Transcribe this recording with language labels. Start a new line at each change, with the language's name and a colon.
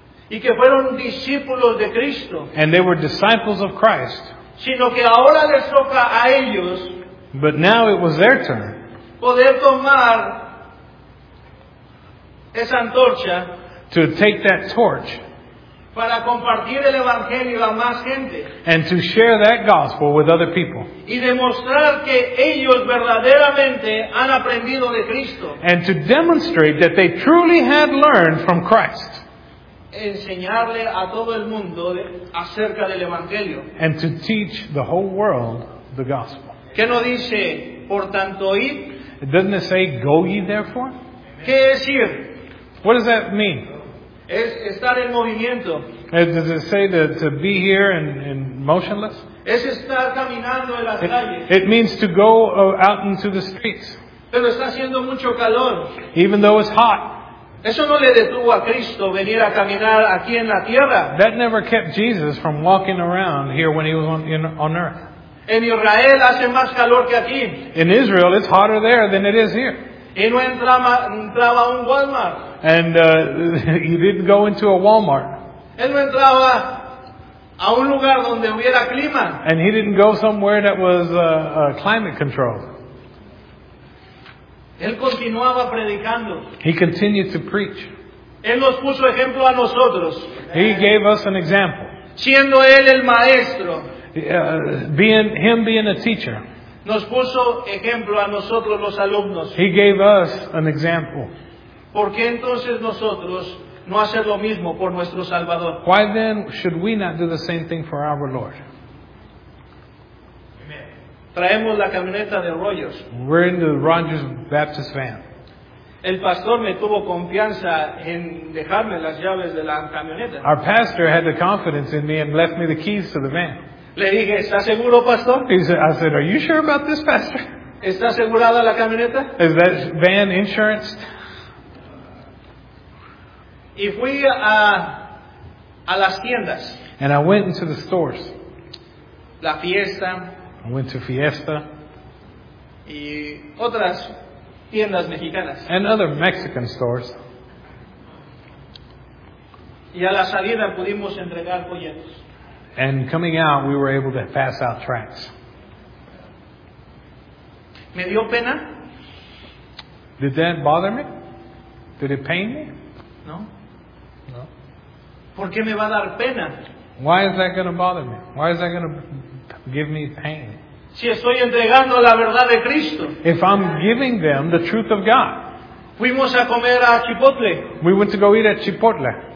Spanish: Y que fueron discípulos de Cristo.
English: And they were disciples of Christ.
Spanish: Sino que ahora les toca a ellos.
English: But now it was their turn.
Spanish: Poder tomar esa antorcha.
English: To take that torch.
Spanish: Para compartir el evangelio a más gente.
English: And to share that gospel with other people.
Spanish: Y demostrar que ellos verdaderamente han aprendido de Cristo.
English: And to demonstrate that they truly had learned from Christ.
Spanish: Enseñarle a todo el mundo acerca del evangelio.
English: And to teach the whole world the gospel.
Spanish: ¿Qué no dice, por tanto, ir?
English: Doesn't it say, go ye therefore?
Spanish: ¿Qué es ir?
English: What does that mean?
Spanish: Es estar en movimiento.
English: Does it say to be here and motionless?
Spanish: Es estar caminando en las calles.
English: It means to go out into the streets.
Spanish: Pero está haciendo mucho calor.
English: Even though it's hot.
Spanish: Eso no le detuvo a Cristo venir a caminar aquí en la tierra.
English: That never kept Jesus from walking around here when he was on earth.
Spanish: En Israel hace más calor que aquí.
English: In Israel, it's hotter there than it is here.
Spanish: Y no entraba un Walmart.
English: And he didn't go into a Walmart.
Spanish: Él no entraba a un lugar donde hubiera clima.
English: And he didn't go somewhere that was climate controlled.
Spanish: Él continuaba predicando.
English: He continued to preach.
Spanish: Él nos puso ejemplo a nosotros.
English: He gave us an example.
Spanish: Siendo él el maestro.
English: Being a teacher.
Spanish: Nos puso ejemplo a nosotros los alumnos.
English: He gave us an example.
Spanish: ¿Por qué entonces nosotros no hacer lo mismo por nuestro Salvador?
English: Why then should we not do the same thing for our Lord?
Spanish: Traemos la camioneta de Rogers.
English: We're in the Rogers Baptist van.
Spanish: El pastor me tuvo confianza en dejarme las llaves de la camioneta.
English: Our pastor had the confidence in me and left me the keys to the van.
Spanish: Le dije, ¿estás seguro, pastor?
English: I said, are you sure about this, pastor?
Spanish: ¿Está asegurada la camioneta?
English: Is that van insuranced?
Spanish: Y fui a las tiendas.
English: And I went into the stores.
Spanish: La fiesta.
English: I went to Fiesta.
Spanish: Y otras tiendas mexicanas.
English: And other Mexican stores.
Spanish: Y a la salida pudimos entregar folletos.
English: And coming out, we were able to pass out tracts.
Spanish: ¿Me dio pena?
English: Did that bother me? Did it pain me?
Spanish: No.
English: No.
Spanish: ¿Por qué me va a dar pena?
English: Why is that going to bother me? Why is that going to give me pain?
Spanish: Si estoy entregando la verdad de Cristo.
English: If I'm giving them the truth of God.
Spanish: Fuimos a comer a Chipotle.
English: We went to go eat at Chipotle.